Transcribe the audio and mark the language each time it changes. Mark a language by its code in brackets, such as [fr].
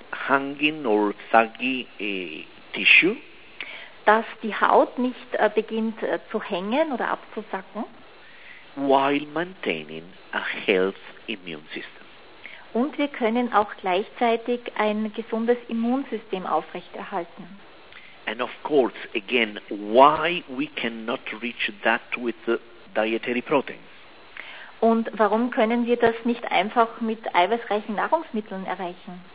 [en] Hanging or saggy tissue. [de] Dass die Haut nicht beginnt zu hängen oder abzusacken. [en] While maintaining a health immune system. [de] Und wir können auch gleichzeitig ein gesundes Immunsystem aufrechterhalten. [en] And of course, again, why we cannot reach that with the dietary proteins. [de] Und warum können wir das nicht einfach mit eiweißreichen Nahrungsmitteln erreichen?